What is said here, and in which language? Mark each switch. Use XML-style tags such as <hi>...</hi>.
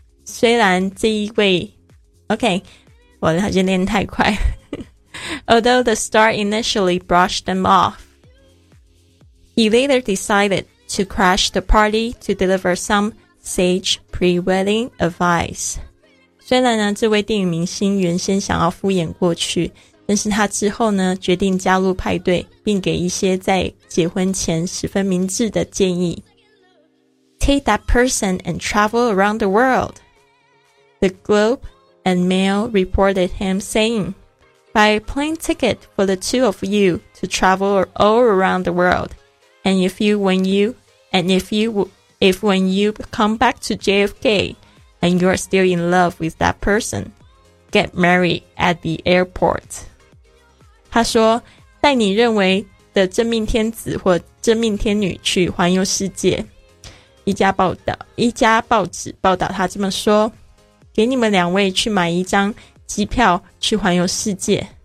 <zh>虽然这一位 OK 我好像练太快</zh> <en>Although the star initially brushed them off, he later decided to crash the party to deliver some sage pre-wedding advice.</en> <zh>虽然呢这位电影明星原先想要敷衍过去，但是他之后呢决定加入派对，并给一些在结婚前十分明智的建议。</zh> <en>Take that person and travel around the world. The Globe and Mail reported him saying, Buy a plane ticket for the two of you to travel all around the world. And if when you come back to JFK,And you are still in love with that person. Get married at the airport.</en> <zh>他说，带你认为的真命天子或真命天女去环游世界。一家报纸报道他这么说，给你们两位去买一张机票去环游世界。</zh>